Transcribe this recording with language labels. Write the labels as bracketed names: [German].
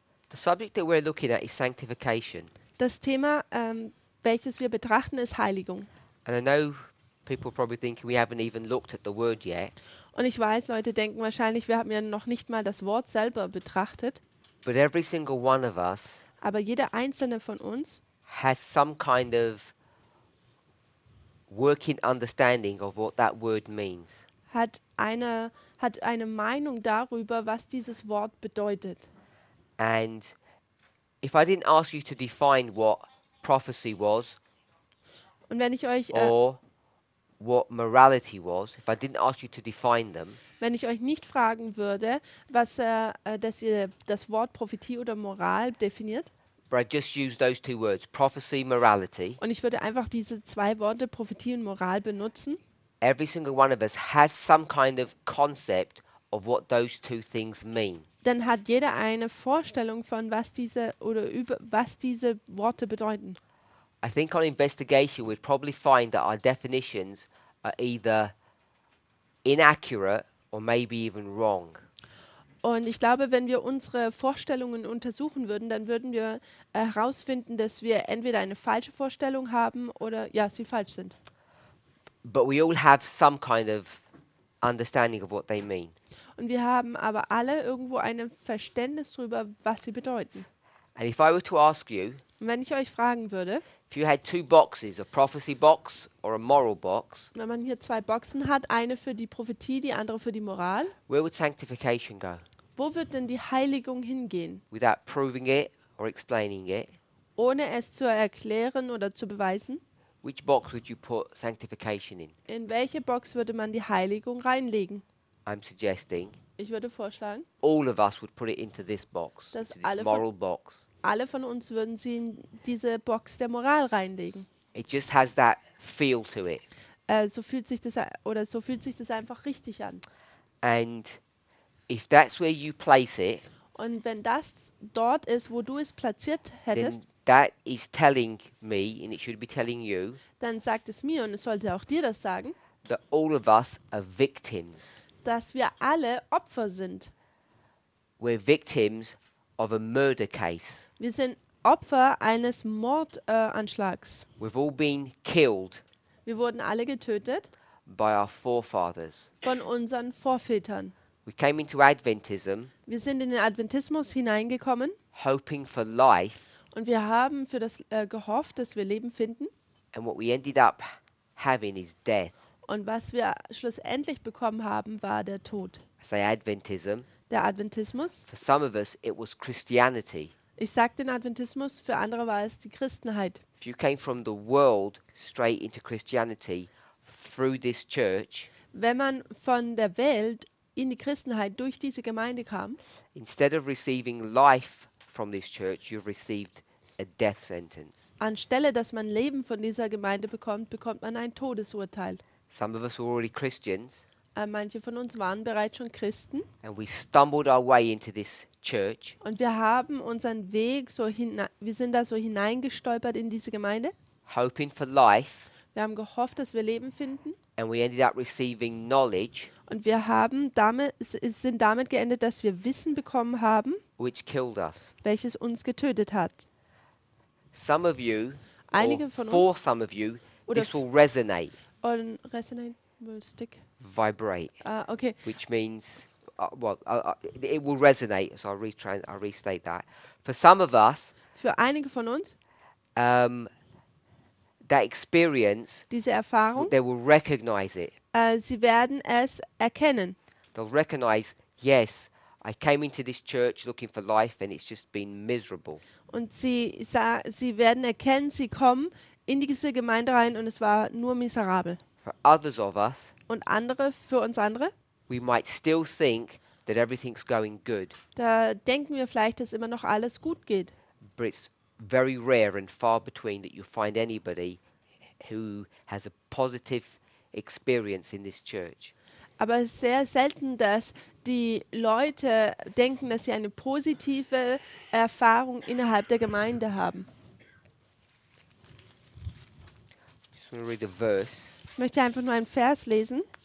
[English] The subject that we're looking at is sanctification. [German] Das Thema, welches wir betrachten, ist Heiligung. [English] And I know people probably think we haven't even looked at the word yet. [German] Und ich weiß, Leute denken wahrscheinlich, wir haben ja noch nicht mal das Wort selber betrachtet. [English] But every single one of us, [German] aber jeder einzelne von uns, [English] has some kind of working understanding of what that word means. [German] Hat eine Meinung darüber, was dieses Wort bedeutet. [English] And if I didn't ask you to define what prophecy was, [German] und wenn ich euch, [English] or what morality was, if I didn't ask you to define them, [German] wenn ich euch nicht fragen würde, was dass ihr das Wort Prophetie oder Moral definiert, [English] but I just use those two words, prophecy, morality. [German] Und ich würde einfach diese zwei Worte Prophetie und Moral benutzen. [English] Every single one of us has some kind of concept of what those two things mean. [German] Dann hat jeder eine Vorstellung von was diese oder über was diese Worte bedeuten. [English] I think on investigation we'd probably find that our definitions are either inaccurate or maybe even wrong. [German] Und ich glaube, wenn wir unsere Vorstellungen untersuchen würden, dann würden wir herausfinden, dass wir entweder eine falsche Vorstellung haben oder ja, sie falsch sind. [English] But we all have some kind of understanding of what they mean. [German] Und wir haben aber alle irgendwo ein Verständnis darüber, was sie bedeuten. [English] And if I were to ask you, [German] wenn ich euch fragen würde, [English] if you had two boxes, a prophecy box or a moral box, [German] wenn man hier zwei Boxen hat, eine für die Prophetie, die andere für die Moral, [English] where would sanctification go? [German] Wo wird denn die Heiligung hingehen? [English] Without proving it or explaining it, [German] ohne es zu erklären oder zu beweisen, [English] which box would you put sanctification in? [German] In welche Box würde man die Heiligung reinlegen? [English] I'm suggesting, [German] ich würde vorschlagen, [English] all of us would put it into this box, [German] dass [English] into this moral box. [German] Alle von uns würden sie in diese Box der Moral reinlegen. [English] It just has that feel to it. [German] So fühlt sich das oder so fühlt sich das einfach richtig an. [English] And if that's where you place it, [German] und wenn das dort ist, wo du es platziert hättest, [English] that is telling me and it should be telling you, [German] dann sagt es mir und es sollte auch dir das sagen, [English] that all of us are victims. [German] Dass wir alle Opfer sind. [English] We're victims of a murder case. [German] Wir sind Opfer eines Mordanschlags. [English] We've all been killed. [German] Wir wurden alle getötet. [English] By our forefathers. [German] Von unseren Vorvätern. [English] We came into Adventism. [German] Wir sind in den Adventismus hineingekommen. [English] Hoping for life. [German] Und wir haben für das gehofft, dass wir Leben finden. [English] And what we ended up having is death. [German] Und was wir schlussendlich bekommen haben, war der Tod. [English] I say Adventism. [German] Der Adventismus. [English] For some of us, it was Christianity. [German] Ich sag den Adventismus, für andere war es die Christenheit. [English] If you came from the world straight into Christianity through this church, [German] wenn man von der Welt in die Christenheit durch diese Gemeinde kam, [English] instead of receiving life from this church, you've received a death sentence. [German] Anstelle, dass man Leben von dieser Gemeinde bekommt, bekommt man ein Todesurteil. [English] Some of us were already Christians. [German] Manche von uns waren bereits schon Christen. [English] And we stumbled our way into this church. [German] Und wir haben unseren Weg so wir sind da so hineingestolpert in diese Gemeinde. [English] Hoping for life. [German] Wir haben gehofft, dass wir Leben finden. [English] And we ended up receiving knowledge. [German] Und wir haben damit sind damit geendet, dass wir Wissen bekommen haben, [English] which killed us. [German] Welches uns getötet hat. [English] Some of you, [German] einige von uns, [English] for some of you, this will resonate. Und resonate will stick. Vibrate. Okay. Which means, it will resonate. So I'll restate that. For some of us, [German] für einige von uns, [English] that experience, [German] diese Erfahrung, [English] they will recognize it. [German] Sie werden es erkennen. [English] They'll recognize, yes, I came into this church looking for life and it's just been miserable. [German] Und sie werden erkennen, sie kommen in diese Gemeinde rein und es war nur miserabel. [English] For others of us, [German] und andere für uns andere. [English] We might still think that everything's going good. [German] Da denken wir vielleicht, dass immer noch alles gut geht. [English] But it's very rare and far between that you find anybody who has a positive experience in this church. [German] Aber es ist sehr selten, dass die Leute denken, dass sie eine positive Erfahrung innerhalb der Gemeinde haben. [English] Just want to read a verse. [German] Ich möchte einfach nur einen Vers lesen.